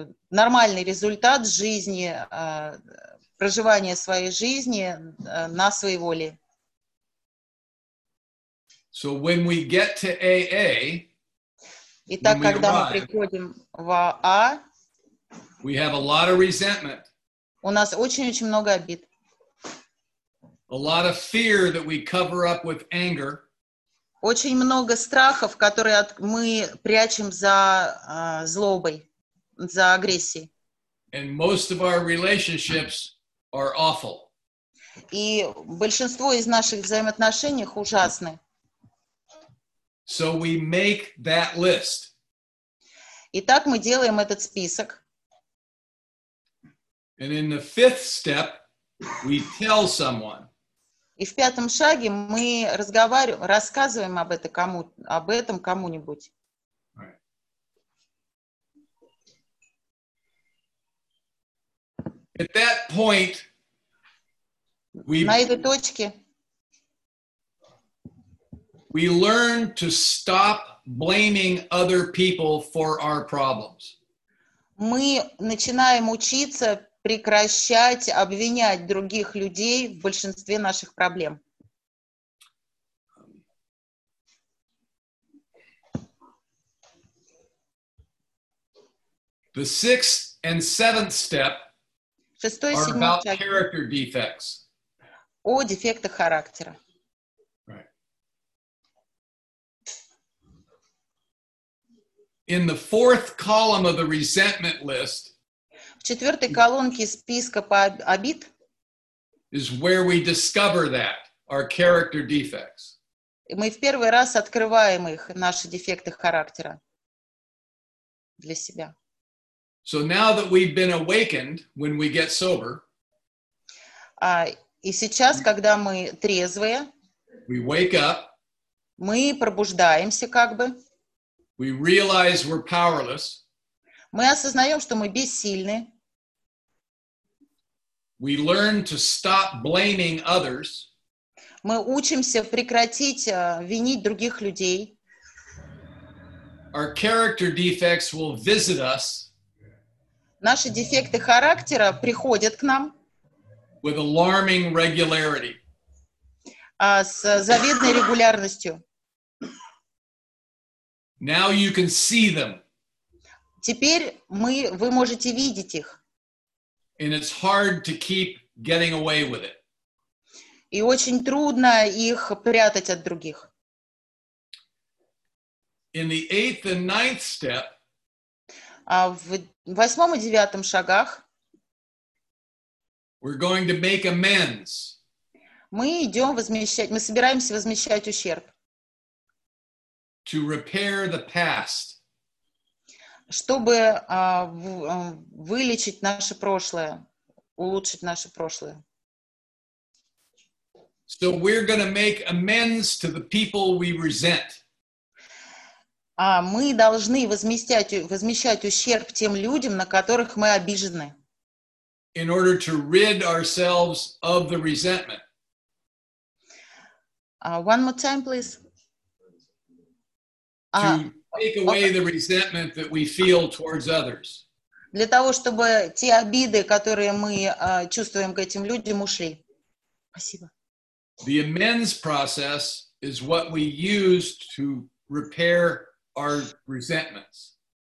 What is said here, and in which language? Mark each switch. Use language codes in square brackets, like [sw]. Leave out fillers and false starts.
[ru] Нормальный результат жизни, проживания своей жизни на своей воле. [en] So when we get to AA, [ru] итак, когда мы приходим в АА, [en] we have a lot of resentment. [ru] У нас очень-очень много обид. [en] A lot of fear that we cover up with anger. [ru] Очень много страхов, которые мы прячем за злобой, за агрессией. [en] And most of our relationships are awful. [ru] И большинство из наших взаимоотношений ужасны. [en] So we make that list. [ru] Итак, мы делаем этот список. [en] And in the fifth step, we tell someone. [ru] И в пятом шаге мы разговариваем, рассказываем об этом, кому, об этом кому-нибудь. [en] Right. At that point, we, [ru] на этой точке [en] we learn to stop blaming other people for our problems. [ru] Мы начинаем учиться прекращать обвинять других людей в большинстве наших проблем. [en] The sixth and seventh step [ru] шестой, [en] are about character defects. [ru] О дефектах характера. [en] Right. In the fourth column of the resentment list, [ru] в четвертой колонке списка по обид [en] is where we discover that, our character defects. [ru] Мы в первый раз открываем их, наши дефекты характера для себя. [en] So now that we've been awakened when we get sober, [ru] И сейчас, когда мы трезвые, [en] we wake up, [ru] мы пробуждаемся как бы. [en] We realize we're powerless. [ru] Мы осознаем, что мы бессильны. [en] We learn to stop blaming others. [ru] Мы учимся прекратить винить других людей. [en] Our character defects will visit us. [ru] Наши дефекты характера приходят к нам. [en] With alarming regularity. [ru] С завидной регулярностью. [en] Now you can see them. [ru] Теперь вы можете видеть их. [en] And it's hard to keep getting away with it. [ru] И очень трудно их прятать от других. [en] In the eighth and ninth step, [ru] в восьмом и девятом шагах, [en] we're going to make amends. [ru] Мы собираемся возмещать ущерб. [en] To repair the past. [ru] Чтобы вылечить наше прошлое, улучшить наше прошлое. [en] So we're going to make amends to the people we resent. [ru] Мы должны возмещать ущерб тем людям, на которых мы обижены. [en] In order to rid ourselves of the resentment. One more time, please. Take away the resentment that we feel towards others. [ru] Для того, чтобы те обиды, которые мы чувствуем к этим людям, ушли. Спасибо. [en] The amends process is what we use to repair our resentments.